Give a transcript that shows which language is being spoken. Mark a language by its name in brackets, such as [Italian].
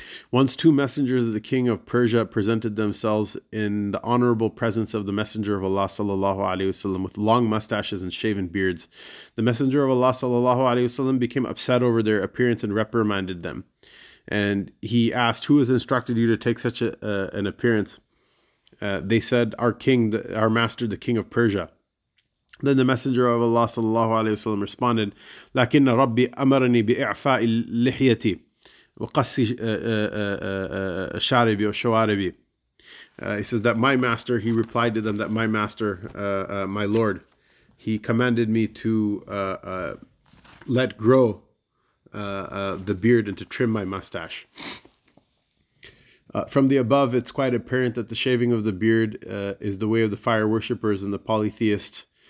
[English] Once two messengers of the king of Persia presented themselves in the honorable presence of the messenger of Allah sallallahu alaihi wasallam with long mustaches and shaven beards. The messenger of Allah sallallahu alaihi wasallam became upset over their appearance and reprimanded them. And he asked, who has instructed you to take such an appearance? They said, our king, our master, the king of Persia. Then the messenger of Allah sallallahu alayhi wa sallam responded, [Arabic] لكن ربي أمرني بإعفاء لحيتي وقص شاربي وشواربي. [English] He says that my master, he replied to them that my master, my lord, he commanded me to let grow the beard and to trim my mustache. From the above, it's quite apparent that the shaving of the beard is the way of the fire worshippers and the polytheists.